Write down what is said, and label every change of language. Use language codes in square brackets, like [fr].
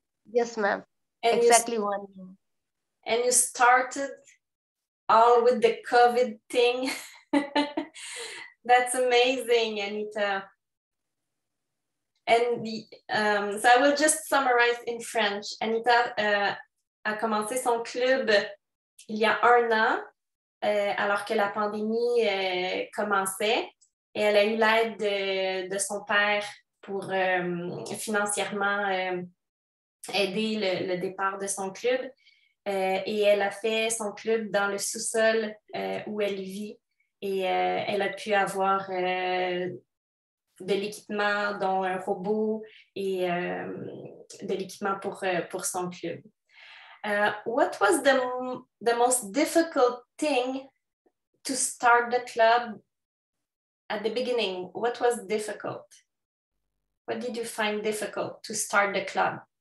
[en] Yes, ma'am. And exactly 1 year. And you started all with the COVID thing. That's amazing, Anita. And so I will just summarize in French. [fr] Anita a commencé son club il y a un an, alors que la pandémie commençait. Et elle a eu l'aide de son père pour financièrement aider le départ de son club. Et elle a fait son club dans le sous-sol où elle vit. Et elle a pu avoir de l'équipement, dont un robot et de l'équipement pour son club. [en] What was the most difficult thing to start the club at the beginning? What was difficult? What did you find difficult to start the club?